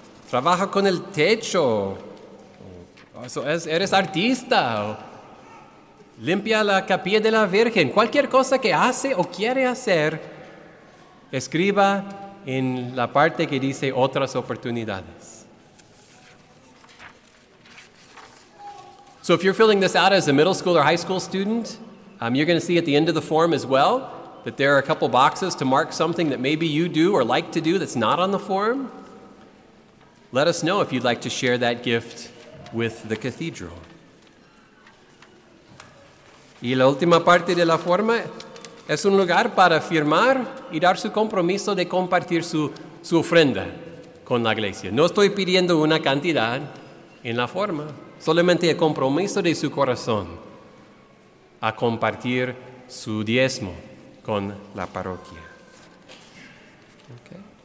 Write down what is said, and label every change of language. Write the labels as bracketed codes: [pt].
[es] Trabaja con el techo, eres artista, limpia la capilla de la Virgen. Cualquier cosa que hace o quiere hacer, escriba en la parte que dice otras oportunidades. [en] So if you're filling this out as a middle school or high school student, you're going to see at the end of the form as well that there are a couple boxes to mark something that maybe you do or like to do that's not on the form. Let us know if you'd like to share that gift with the cathedral. [es] Y la última parte de la forma es un lugar para firmar y dar su compromiso de compartir su ofrenda con la iglesia. No estoy pidiendo una cantidad, en la forma, solamente el compromiso de su corazón a compartir su diezmo con la parroquia. Okay.